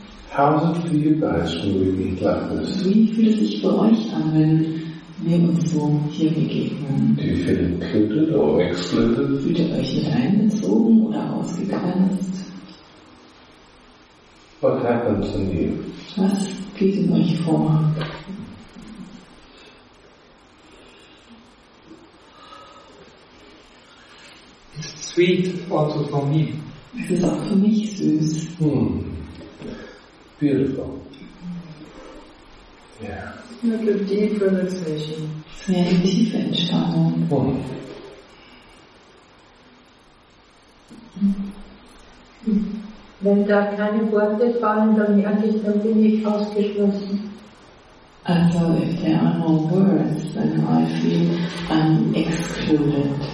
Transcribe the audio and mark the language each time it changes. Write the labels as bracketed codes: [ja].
[en] How is it for you guys when we meet like this? [de] Wie fühlt es sich bei euch an, wenn wir uns so hier begegnen? [en] Do you feel included or excluded? [de] Fühlt ihr euch mit einbezogen oder ausgegrenzt? [en] What happens in you? [de] Was geht in euch vor? [en] Sweet also for me. [de] Es ist auch für mich süß. [en] Beautiful. Yeah. [de] Eine [en] deep relaxation. [de] Ja, eine tiefe Entspannung. Wenn da keine Worte fallen, dann merke ich, dann bin ich ausgeschlossen. [en] Also, if there are no words, then I feel I'm excluded.